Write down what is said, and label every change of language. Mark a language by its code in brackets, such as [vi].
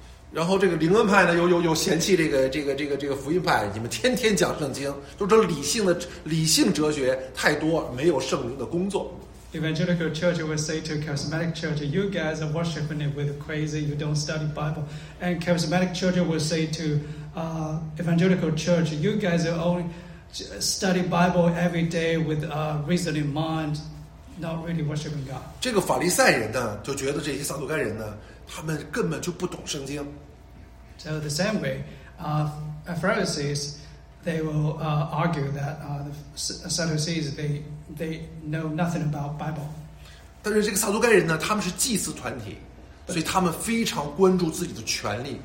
[zh] 然后这个灵恩派呢，又嫌弃这个福音派，你们天天讲圣经，就这理性哲学太多，没有圣灵的工作。 [en] Evangelical church will say to charismatic church, "You guys are worshiping it with crazy. You don't study Bible." And charismatic church will say to evangelical church, "You guys are only study Bible every day with a reasoning mind, not really worshiping God." [zh] 这个法利赛人呢，就觉得这些撒都该人呢。他们根本就不懂圣经。 [en] So the same way, Pharisees, they will argue that the Sadducees they know nothing about Bible. [zh] 但是这个撒都该人呢，他们是祭司团体，所以他们非常关注自己的权利。